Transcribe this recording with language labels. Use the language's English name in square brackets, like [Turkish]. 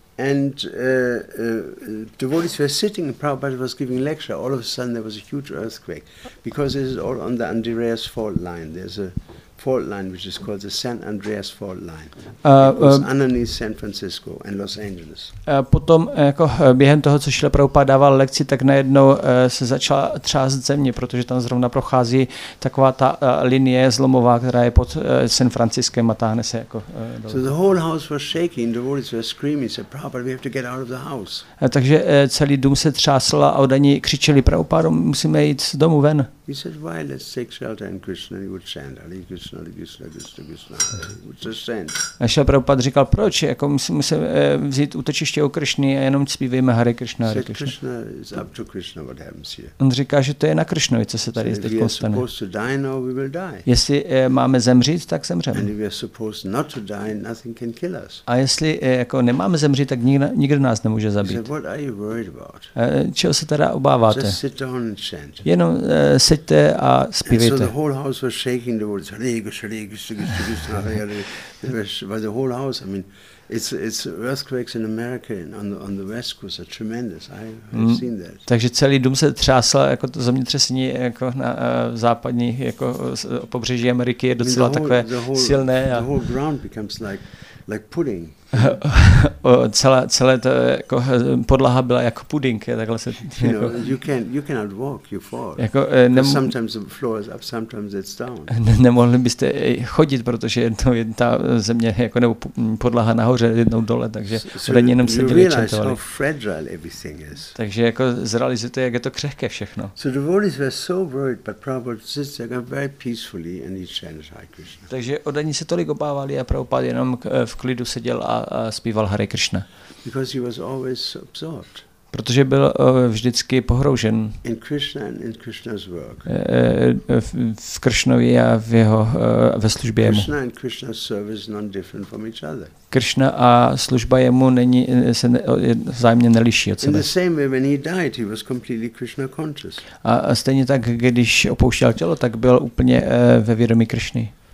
[English] And the devotees were sitting, and Prabhupada was giving lecture. All of a sudden, there was a huge earthquake, because this is all on the Andreas Fault Line. There's a fault line which is called the San Andreas Fault Line. It was underneath San Francisco and Los Angeles. [Czech] Potom, jako během toho, co šel Prabhupada dával lekci, tak najednou se začala třást země, protože tam zrovna prochází taková ta linie zlomová, která je pod San Franciskem a táhne se jako. [English] So the whole house was shaking. The devotees were screaming. Said Prabhupada, we have to get out of the house. [Czech] Takže celý dům se třásl a oni křičeli Prabhupada, musíme jít z domu ven. [English] He said, why let's take shelter in Krishna? He would chant, Hare Krishna, Hare Krishna, Krishna Krishna. Would just chant. [Czech] A Šila Prabhupada říkal, proč? Jako musím vzít útočiště u Krishny a jenom zpívejme Hare Krishna, Hare Krishna. [English] Krishna is up to Krishna, what happens here. [Czech] On říká, že to je na Krishna, co se tady zde stane. [English] Supposed to die now, we will die. [Czech] Jestli máme zemřít, tak zemřeme. [English] And if we are supposed not to die, nothing can kill us. [Czech] A jestli jako nemáme zemřít, tak nikdo nás nemůže zabít. [English] Said, what are you worried about? [Czech] Čeho se teda obáváte? [English] Just sit down and chant. [Czech] Jenom seďte a zpívejte. [English] So the whole house was shaking, the words, Hare Krishna, Hare Krishna, Krishna Krishna, Hare Hare. But the whole house, I mean, it's earthquakes in America and on the West Coast are tremendous. I've seen that. [Czech] Takže celý dům se třásl, jako to zemětřesení jako na západních jako pobřeží Ameriky je docela takové silné. [English] The whole ground becomes like pudding. [Czech] celé to jako podlaha byla jako puding, takhle se jako, [English] you cannot walk, you fall. Jako sometimes the floor is up, sometimes it's down. [Czech] Nemohli byste chodit, protože jednou je ta země jako nebo podlaha nahoře, jednou dole, takže lidi jenom seděli a čentovali. [English] How fragile everything is. [Czech] Takže jako zrealizujete, jak je to křehké všechno. [English] So the devotees were so worried, but Prabhupada sits there very peacefully and he chants Hare Krishna. [Czech] Takže oni se tolik obávali a Prabhupada jenom v klidu seděl a zpíval Hare Krishna. [English] Because he was always absorbed. [Czech] Protože byl vždycky pohroužen [English] in Krishna and in Krishna's work. [Czech] V Krishnovi a v jeho ve službě jemu. [English] Krishna and Krishna's service not different from each other. [Czech] Krishna a služba jemu není se vzájemně neliší od sebe. [English] In the same way when he died, he was completely Krishna conscious. [Czech] A stejně tak když opouštěl tělo, tak byl úplně ve vědomí Krishny.